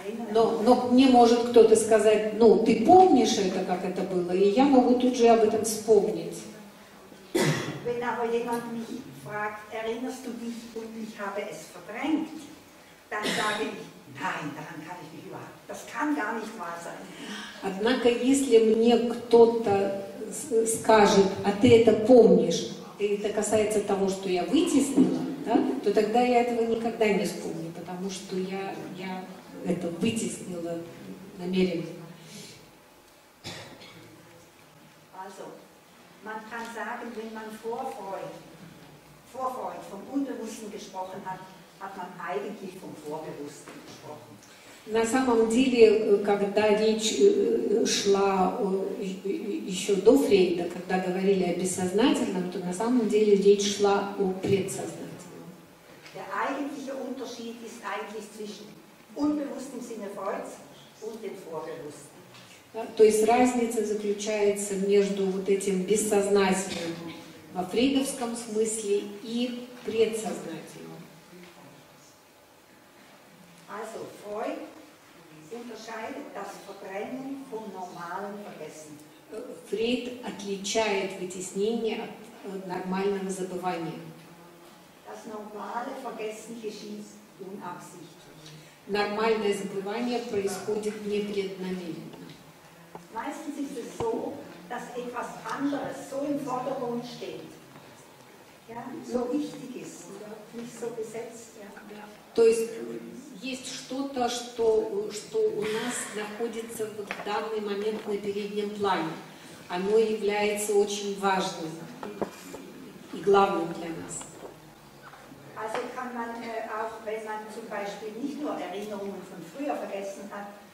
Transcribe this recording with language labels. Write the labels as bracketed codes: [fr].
[ru] Но мне может кто-то сказать, ну ты помнишь это, как это было, и я могу тут же об этом вспомнить. [de] Wenn aber jemand mich fragt, erinnerst du dich und ich habe es verdrängt, dann sage ich, nein, daran kann ich mich überhaupt. Das kann gar nicht wahr sein. [ru] Однако, если мне кто-то скажет, а ты это помнишь, и это касается того, что я вытеснила, да, то тогда я этого никогда не вспомню, потому что я это вытеснила намеренно. [de] Also. Man kann sagen, wenn man Vorfreude vom Unbewussten gesprochen hat, hat man eigentlich vom Vorbewussten gesprochen. [ru] На самом деле, когда речь шла еще до Фрейда, когда говорили о бессознательном, то на самом деле речь шла о предсознательном. [de] Der eigentliche Unterschied ist eigentlich zwischen unbewusstem Sinne Freuds und dem Vorbewussten. [ru] То есть разница заключается между вот этим бессознательным во фрейдовском смысле и предсознательным. [de] Also Freud unterscheidet das Verdrängen vom normalen Vergessen. [ru] Фрейд отличает вытеснение от нормального забывания. [de] Das normale Vergessen geschieht unabsichtlich. [ru] Нормальное забывание происходит непреднамеренно. [de] Meistens ist es so, dass etwas anderes so im Vordergrund steht, ja, so wichtig ist, nicht so besetzt. Ja. [ru] То есть есть что-то, что у нас находится в данный момент на переднем плане. Оно является очень важным и главным для нас. [de] Also kann man auch, wenn man zum Beispiel nicht nur Erinnerungen von früher vergessen hat,